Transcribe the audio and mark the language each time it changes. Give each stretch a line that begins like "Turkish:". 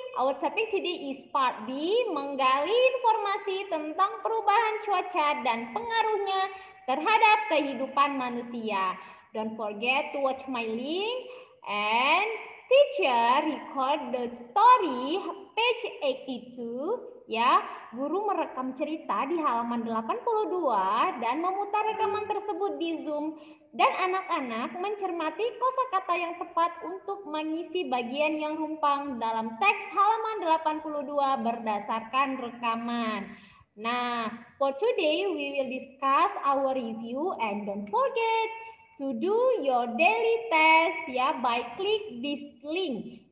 English: Our topic today is part B,
Indonesian: menggali informasi tentang perubahan cuaca dan pengaruhnya terhadap kehidupan manusia.
English: Don't forget to watch my link and teacher record the story page 82.
Indonesian: Ya, guru merekam cerita di halaman 82 dan memutar rekaman tersebut di Zoom dan anak-anak mencermati kosakata yang tepat untuk mengisi bagian yang rumpang dalam teks halaman 82 berdasarkan rekaman.
English: Nah, for today we will discuss our review and don't forget to do your daily test ya by click this link.